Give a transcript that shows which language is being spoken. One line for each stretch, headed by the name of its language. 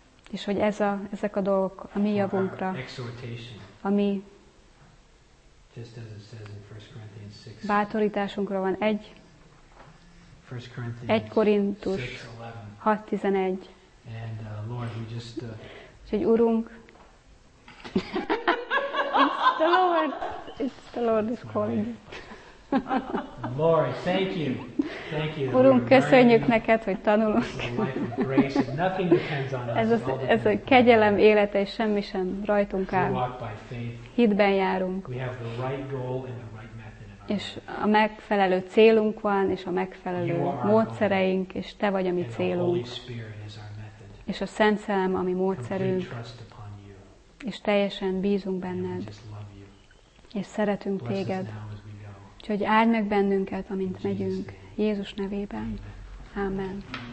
Hungarian: És hogy ezek a dolgok a mi javunkra, ami
English: just as it says in 1 Corinthians 6.
Hungarian: Bátorításunkra van egy.
English: 1 Corinthians 1 Korintus 6:11. And Lord, we just
Hungarian: úgyhogy Urunk.
English: It's the Lord. It's the Lord is calling. Lord, thank you. Thank you.
Hungarian: Urunk, köszönjük neked, hogy tanulunk.
English: Nothing depends on us.
Hungarian: Ez a kegyelem élete, és semmi sem rajtunk áll. Hitben járunk.
English: We have the right goal and the right method.
Hungarian: És a megfelelő célunk van, és a megfelelő módszereink, és te vagy a mi célunk. És a Szent Szellem, ami módszerünk. És teljesen bízunk benned. És szeretünk téged. Úgyhogy áld meg bennünket, amint megyünk, Jézus nevében. Amen.